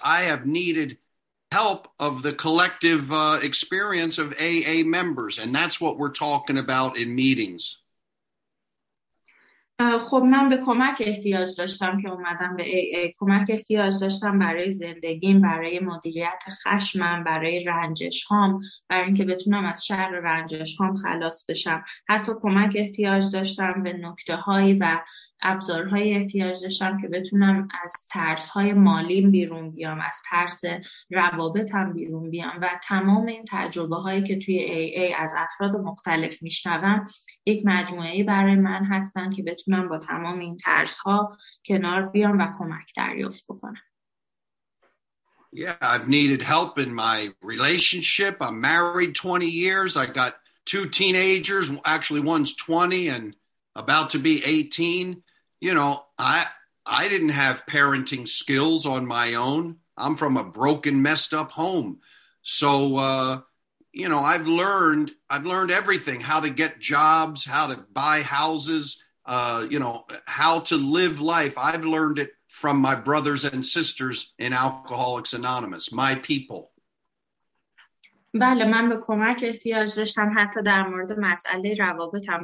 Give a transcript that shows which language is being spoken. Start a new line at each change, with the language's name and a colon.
English: I have needed help of the collective experience of AA members, and that's what we're talking about in meetings.
Persian: خب من به کمک احتیاج داشتم که اومدم به AA. کمک احتیاج داشتم برای زندگیم، برای مدیریت خشمم، برای رنجش هام، برای اینکه بتونم از شر رنجش هام خلاص بشم. حتی کمک احتیاج داشتم به نکته هایی و ابزارهایی احتیاج داشتم که بتونم از ترس های مالیم بیرون بیام، از ترس روابطم بیرون بیام. و تمام این تجربه هایی که توی AA از افراد مختلف میشنوم یک مجموعه برای من هستن که بتونم با تمام این ترس ها کنار بیام و کمک دریافت بکنم.
English: Yeah, I've needed help in my relationship. I'm married 20 years. I got two teenagers. Actually, one's 20 and about to be 18. You know, I didn't have parenting skills on my own. I'm from a broken, messed up home. So, I've learned everything, how to get jobs, how to buy houses, how to live life. I've learned it from my brothers and sisters in Alcoholics Anonymous, my people.
Persian: بله، من به کمک احتیاج داشتم حتی در مورد مسئله روابطم.